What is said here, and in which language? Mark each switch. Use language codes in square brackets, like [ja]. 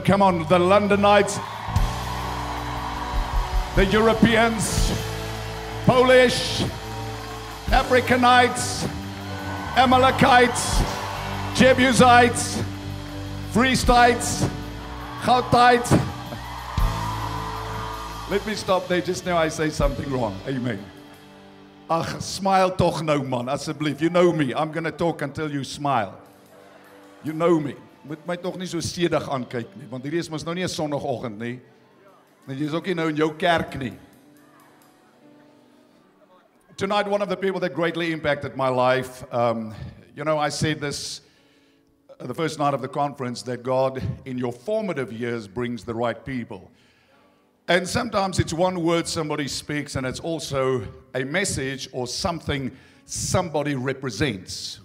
[en] Come on, the Londonites, the Europeans, Polish, Africanites, Amalekites, Jebusites, Friestites, Gautites. Let me stop there just now, I say something wrong. Amen. [af] Ach, smile toch no man, asseblief. [en] You know me, I'm going to talk until you smile. You know me. [af] Moet my toch nie so sedig aankyk nie, want hierdie is mos nou nie 'n sonoggend nie. Jy is ook nie nou in jou kerk nie. [en] Tonight, one of the people that greatly impacted my life, you know, I said this the first night of the conference, that God in your formative years brings the right people. And sometimes it's one word somebody speaks, and it's also a message or something somebody represents.